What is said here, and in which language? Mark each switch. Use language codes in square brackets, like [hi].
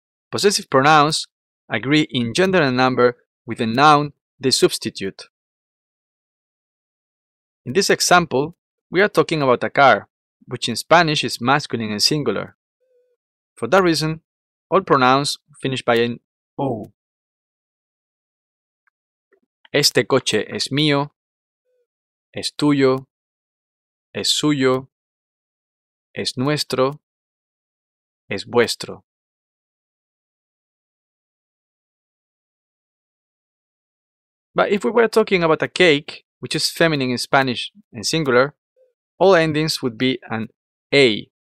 [en] Possessive pronouns agree in gender and number with the noun they substitute. In this example, we are talking about a car, which in Spanish is masculine and singular. For that reason, all pronouns finish by an O. [es] Este coche es mío, es tuyo, es suyo, es nuestro, es vuestro. [en] But if we were talking about a cake, which is feminine in Spanish and singular, all endings would be an A.